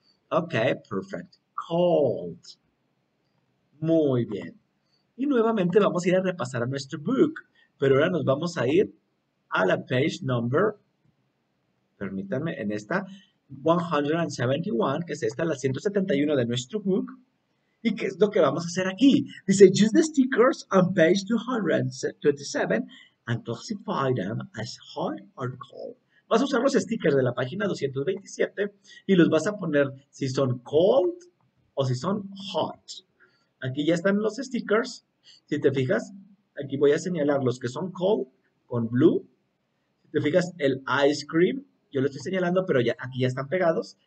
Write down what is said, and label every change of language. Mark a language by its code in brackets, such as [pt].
[en] Ok, perfect. Cold. [es] Muy bien. Y nuevamente vamos a ir a repasar a nuestro book, pero ahora nos vamos a ir a la [en] page number, [es] permítanme, en esta 171, que es esta, la 171 de nuestro book. ¿Y qué es lo que vamos a hacer aquí? [en] Dice, use the stickers on page 227 and classify them as hot or cold. [es] Vas a usar los stickers de la página 227 y los vas a poner si son cold o si son hot. Aquí ya están los stickers. Si te fijas, aquí voy a señalar los que son cold con blue. Te fijas, el ice cream, yo lo estoy señalando, pero ya, aquí ya están pegados.